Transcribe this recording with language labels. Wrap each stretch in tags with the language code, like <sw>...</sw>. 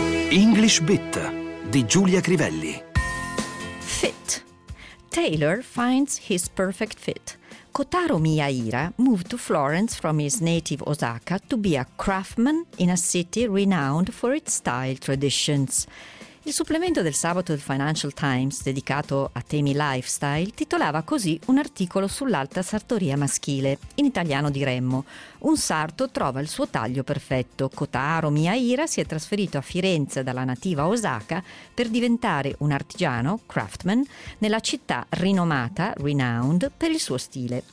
<it>English Bit di Giulia Crivelli.</it> <en>Fit. Taylor finds his perfect fit. Kotaro Miyahira moved to Florence from his native Osaka to be a craftsman in a city renowned for its style traditions.</en> <it>Il supplemento del sabato del Financial Times, dedicato a temi lifestyle, titolava così un articolo sull'alta sartoria maschile. In italiano diremmo: un sarto trova il suo taglio perfetto. Kotaro Miyahira si è trasferito a Firenze dalla nativa Osaka per diventare un artigiano, craftsman, nella città rinomata, renowned, per il suo stile.</it>